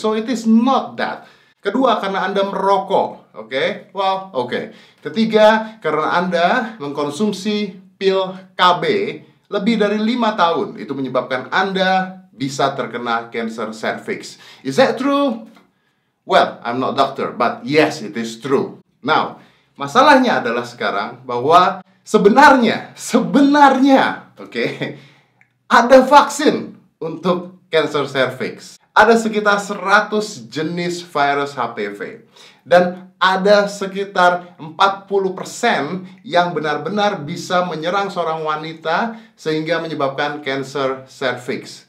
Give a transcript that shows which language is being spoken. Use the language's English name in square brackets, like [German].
[English] So it is not that. [Indonesian] Kedua, karena Anda merokok, [English] oke? Okay? Well, oke. Okay. [Indonesian] Ketiga, karena Anda mengkonsumsi pil KB lebih dari 5 tahun, itu menyebabkan Anda bisa terkena kanker cervix. [English] Is that true? Well, I'm not doctor, but yes, it is true. [Indonesian] Now, masalahnya adalah sekarang bahwa sebenarnya, oke, ada vaksin untuk kanker cervix. Ada sekitar 100 jenis virus HPV. Dan ada sekitar 40% yang benar-benar bisa menyerang seorang wanita sehingga menyebabkan kanker cervix.